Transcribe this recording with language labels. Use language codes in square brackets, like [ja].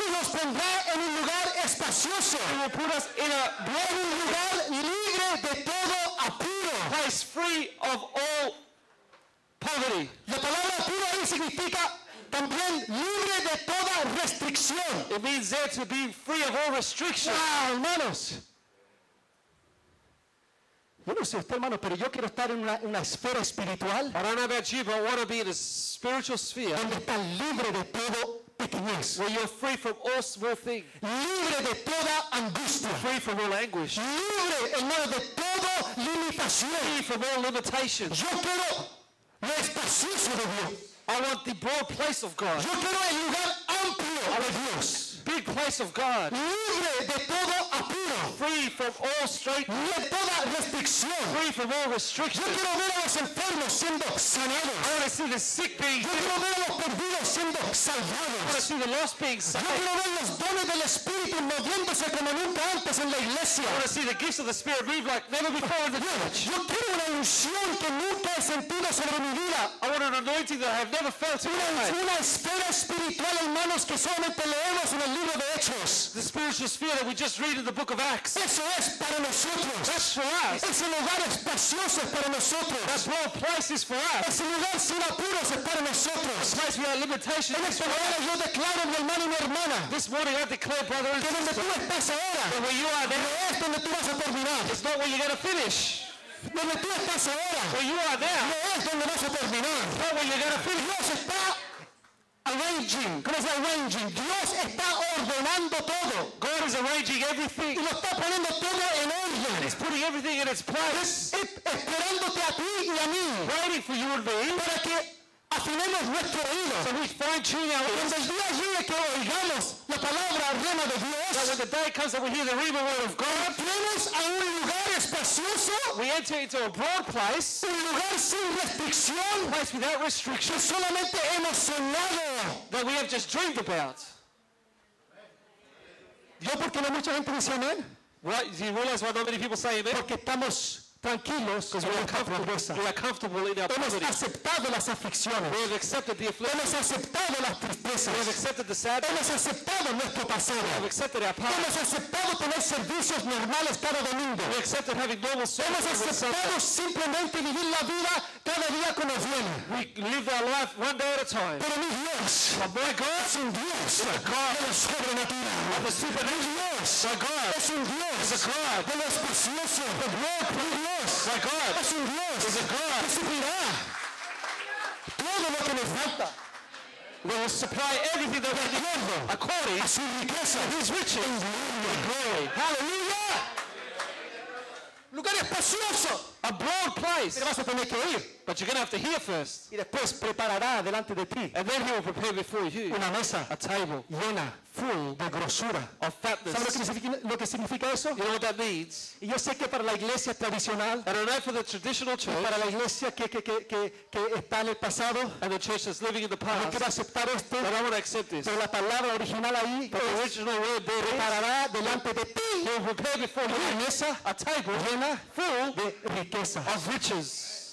[es] y nos pondrá en un lugar espacioso, [en] and will put us in a [es] buen lugar, libre de todo apuro, [en] place free of all poverty. [es] La palabra apuro ahí significa también libre de toda restricción. [en] It means there to be free of all restriction. [es] Wow, hermanos. Yo no sé usted, hermano, pero yo quiero estar en una esfera espiritual. [en] I don't know about you, but I want to be in a spiritual sphere. [es] Donde está libre de todo pequeñez. [en] Where you're free from all small things. [es] Libre de toda angustia. [en] Free from all anguish. [es] Libre, hermano, de todo limitación. [en] Free from all limitations. [es] Yo quiero lo espacioso de Dios. [en] I want the broad place of God. [es] Yo quiero el lugar amplio de Dios. [en] Big place of God. [es] Libre de todo apuro. [en] Free from all strait. [es] De toda restricción. [en] Free from all restrictions. [es] Yo quiero ver a los enfermos siendo sanados. [en] I want to see the sick being healed. [es] Yo quiero ver a los perdidos siendo salvados. [en] I want to see the lost being saved. [es] Yo quiero ver los dones del Espíritu moviéndose como nunca antes en la iglesia. [en] I want to see the gifts of the Spirit move like never before in the church. [es] Yo quiero una unción que nunca he sentido sobre mi vida. [en] I want an anointing that I have never felt in my life. [es] Una esfera espiritual, hermanos, que solamente leemos en el libro de Hechos. [en] The spiritual sphere that we just read in the book of Acts. [es] Eso es para nosotros. [en] That's for us. [es] Ese lugar es precioso para nosotros. [en] That's where place is for us. [es] Ese lugar sin apuros es para nosotros. [en] A place without limitations. [es] En esta mañana yo declaro, mi hermano y mi hermana, [en] this morning I declare, brother and sister, [es] que donde tú estás ahora, [en] that where you are there, [es] no es donde tú vas a terminar. [en] It's not where you're going to finish. [es] Donde tú estás ahora, [en] where you are there, [es] no es donde vas a terminar. [en] It's not where you're going to finish. [es] Dios está arranging. ¿Cómo es arranging? Dios está ordenando todo. [en] God is arranging everything. [es] Y lo está poniendo todo en orden. [en] And he's putting everything in its place. [es] Esperándote a ti y a mí. [en] Waiting for you and me. [es] Para que afinemos nuestro oído. [en] So we fine-tune our ears. [es] Cuando el día llegue que oigamos la palabra rema de Dios. [en] That when the day comes that we hear the rema word of God. [es] Entremos a un lugar espacioso. [en] We enter into a broad place. [es] Un lugar sin restricción. [en] A place without restriction. [es] Que solamente hemos soñado. [en] That we have just dreamed about. [es] ¿Yo por qué no mucha gente dice amén? [en] Right, do you realize why not many people say amen? [es] Porque estamos tranquilos, [en] we are comfortable in our [es] hemos [en] poverty. [es] Hemos aceptado las aflicciones. [en] We have accepted the affliction. [es] Hemos aceptado las tristezas. [en] We have accepted the sadness. [es] Hemos aceptado nuestro pasado. [en] We have accepted our past. [es] Hemos aceptado tener servicios normales cada domingo. [en] We accepted having normal services. [es] Hemos aceptado simplemente vivir la vida cada día como viene. [en] We live our life one day at a time. [es] Pero mi Dios, [en] but my God, [es] es un Dios, [en] the God, [es] de lo sobrenatural, [en] of the supernatural, [es] Dios, [en] my God, [es] es un Dios, [en] the God, [es] de lo espacioso, [en] the Lord, my God, [es] es un Dios, [en] is a God, [es] que suplirá todo lo que nos falta. [en] We will supply everything that we need according [es] a su riqueza, [en] to his riches and glory. Hallelujah! [es] Lugar espacioso. [en] a broad place. [es] Pero vas a tener que ir. [en] But you're going to have to hear first. [es] Y después preparará delante de ti. [en] And then he will prepare before you [es] una mesa, [en] a table [es] llena, full de grosura, [en] of fatness. [es] ¿Sabes lo que significa eso? [en] You know what that means? [es] Y yo sé que para la iglesia tradicional, [en] and I know for the traditional church, [es] para la iglesia que está en el pasado, [en] and the church that's living in the past, [es] no quiero aceptar este, [en] but I want to accept this. [es] Pero la palabra original ahí, [en] but the original word there is, [es] preparará delante de ti, [en] he will prepare before you [es] una mesa, [en] a table [es] llena, [en] full [es] de riqueza, [en] of riches.